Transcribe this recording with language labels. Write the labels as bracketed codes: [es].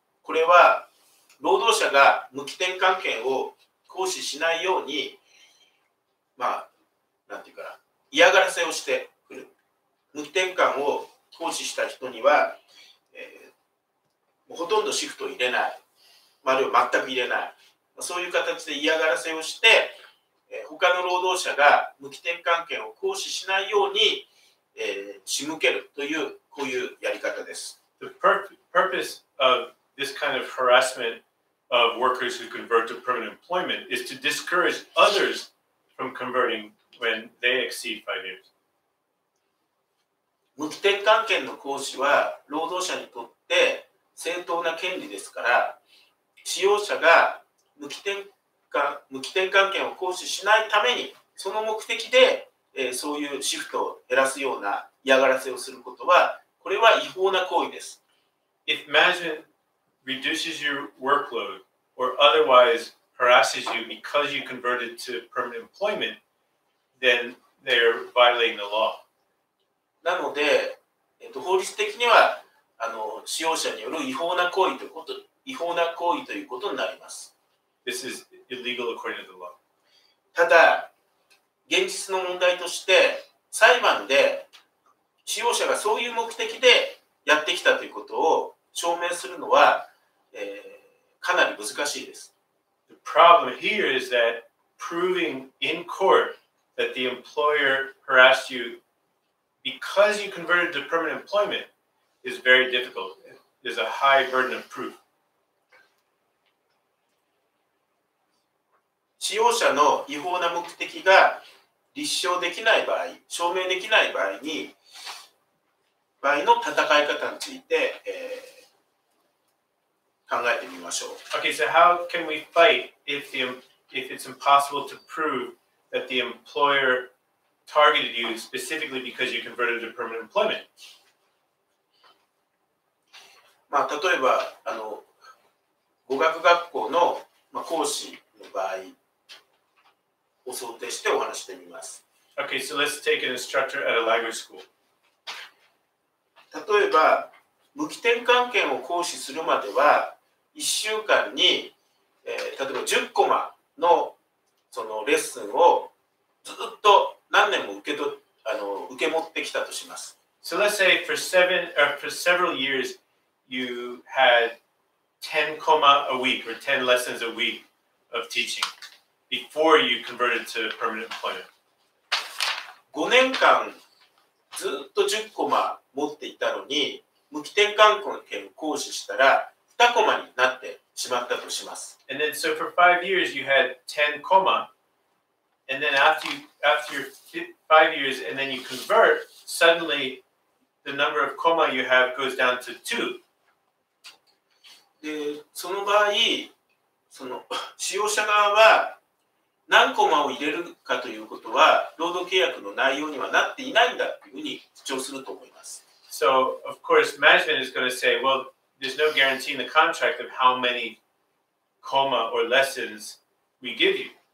[ja] これは労働者が無期転換権を行使しないように、まあ、なんていうかな、嫌がらせをしてくる。無期転換を行使した人には、ほとんどシフトを入れない。あるいは全く入れない。そういう形で嫌がらせをして、他の労働者が無期転換権を行使しないように、仕向けるという、こういうやり方です。 [en] The purpose of this kind of harassment of workers who convert to permanent employment is to discourage others from converting when they exceed 5 years. [ja] 無期転換権の行使は労働者にとって正当な権利ですから、使用者が無期転換権を行使しないためにその目的で、そういうシフトを減らすような嫌がらせをすることはこれは違法な行為です。 [en] If management reduces your workload or otherwise harasses you because you converted to permanent employment, then they're violating the law. [ja] なので、法律的には使用者による違法な行為ということ。違法な行為ということになります。 [en] This is illegal according to the law. [ja] ただ、現実の問題として、裁判で使用者がそういう目的でやってきたということを証明するのは、かなり難しいです。 [en] The problem here is that proving in court that the employer harassed you because you converted to permanent employment is very difficult. There's a high burden of proof. [ja] 使用者の違法な目的が立証できない場合、証明できない場合に、場合の戦い方について、考えてみましょう。 [en] Okay, so how can we fight if it's impossible to prove that the employer targeted you specifically because you converted to permanent employment? [ja] まあ、例えば、語学学校の、まあ、講師の場合、を想定してお話してみます。 [en] Okay, so let's take an instructor at a language school. [ja] 例えば、無期転換権を行使するまでは、1週間に、例えば10コマの、そのレッスンをずっと何年も受け持ってきたとします。 [en] So let's say for several years, you had 10 コマ a week or 10 lessons a week of teaching. Before you converted to permanent employment. [ja] 5年間ずっと10コマ持っていたのに無期転換権を行使したら2コマになってしまったとします。 [en] And then, so for 5 years you had 10 comma, and then after your 5 years and then you convert, suddenly the number of comma you have goes down to 2. [ja] で、その場合、その使用者側は何コマを入れるかということは労働契約の内容にはなっていないんだというふうに主張すると思います。 [en] So, of course, management is going to say, well, there's no guarantee in the contract of how many comma or lessons we give you.